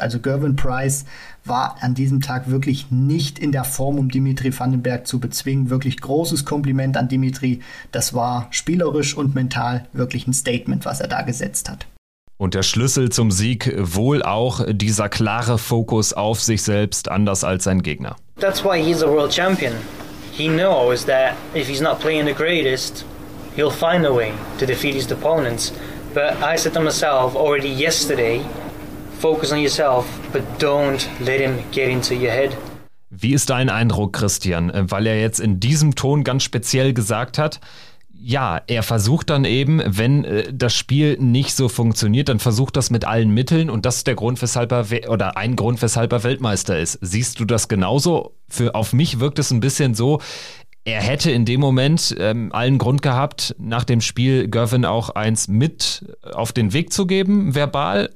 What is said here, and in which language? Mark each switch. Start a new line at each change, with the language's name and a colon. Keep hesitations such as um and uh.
German: Also Gervin Price war an diesem Tag wirklich nicht in der Form, um Dimitri Vandenberg zu bezwingen. Wirklich großes Kompliment an Dimitri. Das war spielerisch und mental wirklich ein Statement, was er da gesetzt hat. Und der Schlüssel zum Sieg wohl auch dieser klare Fokus auf sich selbst, anders als sein Gegner.
English: That's why he's a world champion. He knows that if he's not playing the greatest, he'll find a way to defeat his opponents. But I said to myself already yesterday, focus on yourself, but don't let him get into your head.
German: Wie ist dein Eindruck, Christian? Weil er jetzt in diesem Ton ganz speziell gesagt hat, ja, er versucht dann eben, wenn das Spiel nicht so funktioniert, dann versucht das mit allen Mitteln und das ist der Grund, weshalb er oder ein Grund, weshalb er Weltmeister ist. Siehst du das genauso? Für, auf mich wirkt es ein bisschen so, er hätte in dem Moment ähm, allen Grund gehabt, nach dem Spiel Gervin auch eins mit auf den Weg zu geben, verbal.